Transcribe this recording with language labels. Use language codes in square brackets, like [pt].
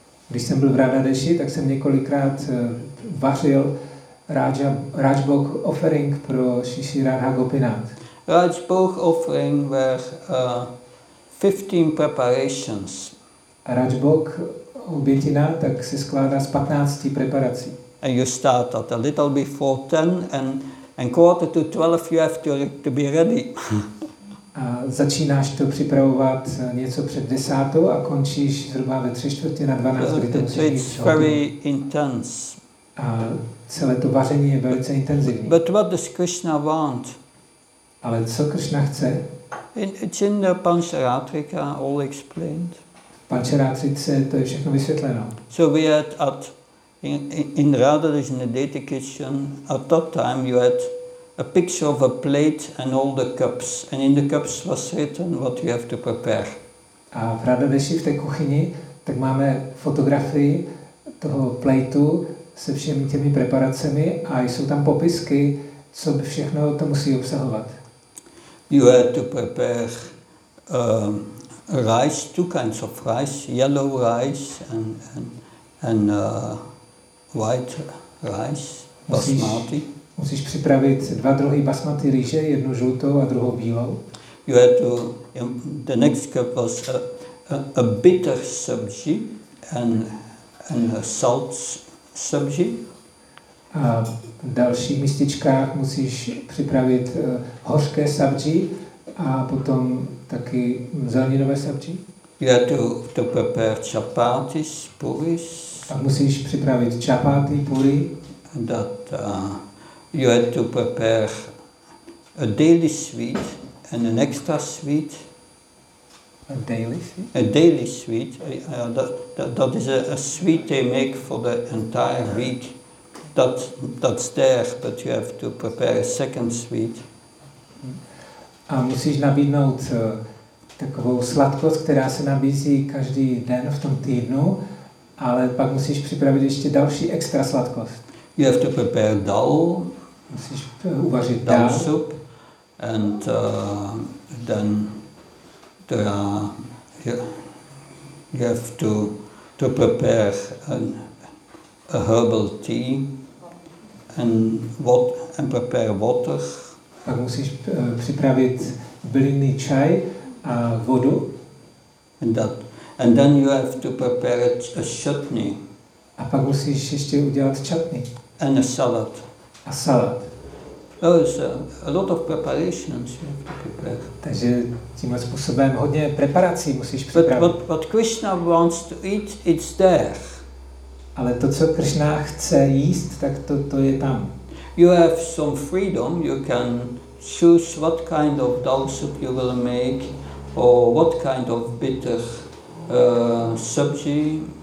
[cs] Když jsem byl v Radadeshi, tak jsem několikrát vařil Rajbhog offering pro Shishi Radha Gopinath. [en] Rajbhog offering were 15 preparations. [cs] Rajbhog obětina tak se skládá z 15 preparací. [en] And you start at a little before 10 and quarter to 12 you have to be ready. [cs] A začínáš to připravovat něco před 10 a končíš zhruba ve 3:15, [en] so it's very intense. [cs] A celé to vaření je velice intenzivní. [en] But what does Krishna want? [cs] Ale co Krishna chce? [en] It's in the Pancharatrika all explained. [cs] Pancharatrice, to je všechno vysvětleno. [en] So we had at in Radhadesh in the deity kitchen at that time you had a picture of a plate and all the cups, and in the cups was written what you have to prepare. [cs] A v Radhadeshi v té kuchyni tak máme fotografii toho plejtu se všemi těmi preparacemi a jsou tam popisky, co všechno to musí obsahovat. [en] You had to prepare rice, two kinds of rice, yellow rice and white rice, basmati. [cs] Musíš připravit dva druhy basmati rýže, jednu žlutou a druhou bílou. [en] You had to, the next cup was a bitter sabzi and a salt sabzi. [cs] A v dalších mističkách musíš připravit hořké sabzi a potom taky zeleninové sabzi. [en] You had to prepare chapatis, puris. [cs] A musíš připravit chapati, puri. [en] That, you had to prepare a daily sweet and an extra sweet. A daily sweet? A daily sweet. That is a sweet they make for the entire week. That's there, but you have to prepare a second sweet. [cs] A musíš nabídnout takovou sladkost, která se nabízí každý den v tom týdnu, ale pak musíš připravit ještě další extra sladkost. [en] You have to prepare dal. [cs] Musíš uvařit [en] dal soup and then there are, you have to prepare a herbal tea and prepare water. [cs] Pak musíš připravit bylinný čaj a vodu. [en] And then you have to prepare a chutney. [cs] A pak musíš ještě udělat chutney. [en] And a salad. A salad. Oh, so a lot of preparations you have to prepare. [cs] Takže tímhle způsobem hodně preparací musíš připravit. [en] But what Krishna wants to eat, it's there. [cs] Ale to, co Krishna chce jíst, tak to je tam. [en] You have some freedom. You can choose what kind of dal soup you will make, or what kind of bitter sabzi.